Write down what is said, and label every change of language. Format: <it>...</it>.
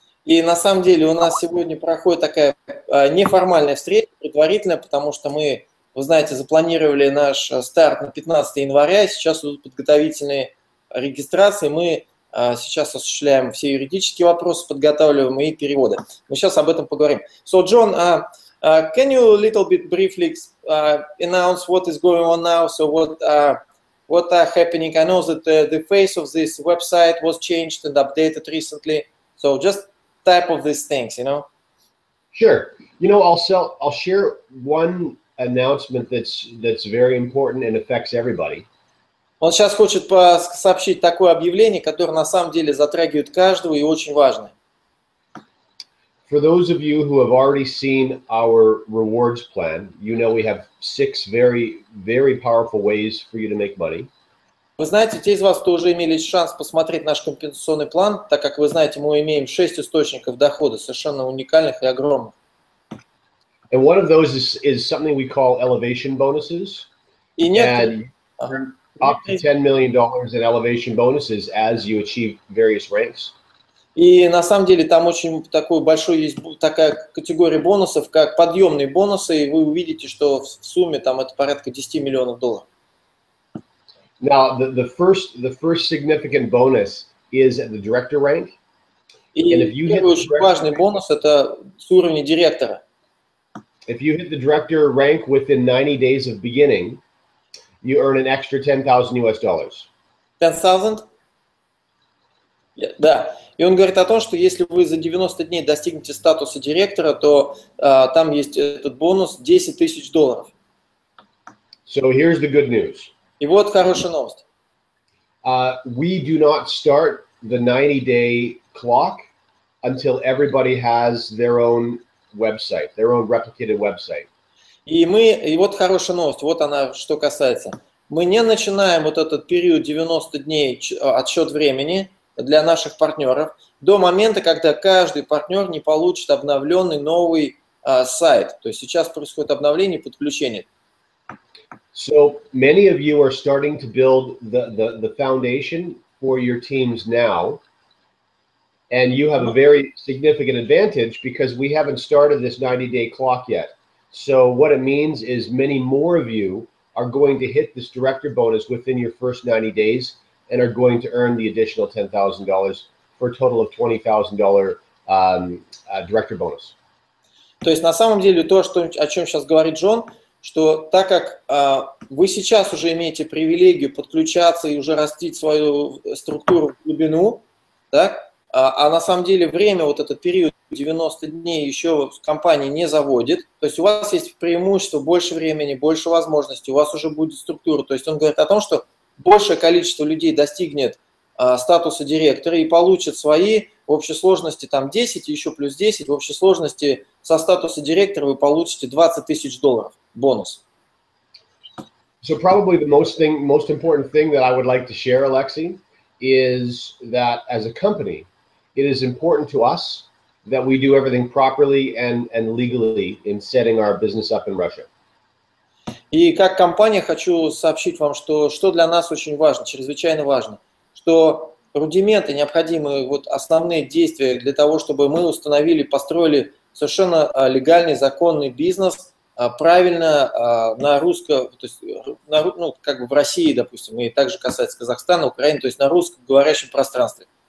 <ru>И на самом деле у нас сегодня проходит такая неформальная встреча, предварительная, потому что мы, вы знаете, запланировали наш старт на 15 января, сейчас идут подготовительные регистрации, мы сейчас осуществляем все юридические вопросы, подготавливаем и переводы. Мы сейчас об этом поговорим.</ru> <en>So, John, can you a little bit briefly announce what is going on now? So, what are happening? I know that the face of this website was changed and updated recently. So, just type of these things, you know? Sure. You know, I'll share one announcement that's very important and affects everybody.</en> <ru>Он сейчас хочет сообщить такое объявление, которое на самом деле затрагивает каждого и очень важное.</ru> <en>For those of you who have already seen our rewards plan, you know we have six very, very powerful ways for you to make money.</en> <ru>Вы знаете, те из вас, кто уже имели шанс посмотреть наш компенсационный план, так как вы знаете, мы имеем шесть источников дохода, совершенно уникальных и огромных.</ru> <en>And one of those is something we call elevation bonuses.</en> <ru>И нет,</ru> <en>and up to $10 million in elevation bonuses as you achieve various ranks.</en> <ru>И на самом деле там очень такой большой есть такая категория бонусов, как подъемные бонусы, и вы увидите, что в сумме там это порядка 10 миллионов долларов.</ru> <en>Now, the first significant bonus is at the director rank. And if you hit the</en> <ru>важный бонус – это с уровня директора.</ru> <en>If you hit the director rank within 90 days of beginning, you earn an extra $10,000. Yeah,</en> <ru>да. И он говорит о том, что если вы за 90 дней достигнете статуса директора, то там есть этот бонус – 10 тысяч долларов.</ru> <en>So here's the good news.</en> <ru>И вот хорошая новость.</ru> <en>We do not start the 90-day clock until everybody has their own website, their own replicated website.</en> <ru>И вот хорошая новость, вот она, что касается. Мы не начинаем вот этот период 90 дней отсчет времени для наших партнеров до момента, когда каждый партнер не получит обновленный новый сайт. То есть сейчас происходит обновление и подключение.</ru> <en>So many of you are starting to build the foundation for your teams now, and you have a very significant advantage because we haven't started this 90-day clock yet. So what it means is many more of you are going to hit this director bonus within your first 90 days and are going to earn the additional $10,000 for a total of $20,000 director bonus.</en> <ru>То есть на самом деле то, что о чем сейчас говорит Джон, что так как вы сейчас уже имеете привилегию подключаться и уже растить свою структуру в глубину, так, а на самом деле время, вот этот период 90 дней еще компания не заводит, то есть у вас есть преимущество, больше времени, больше возможностей, у вас уже будет структура. То есть он говорит о том, что большее количество людей достигнет статуса директора и получит свои в общей сложности там 10, еще плюс 10, в общей сложности со статуса директора вы получите 20 тысяч долларов. Бонус.</ru> <en>So probably the most important thing that I would like to share, Alexei, is that as a company, it is important to us that we do everything properly and legally in setting our business up in Russia.</en> <ru>И как компания хочу сообщить вам, что для нас очень важно, чрезвычайно важно, что рудименты, необходимые вот основные действия для того, чтобы мы установили, построили совершенно легальный, законный бизнес. Правильно на русском, то есть на, ну, как бы в России, допустим, и также касается Казахстана, Украины, то есть на русском говорящем пространстве.</ru>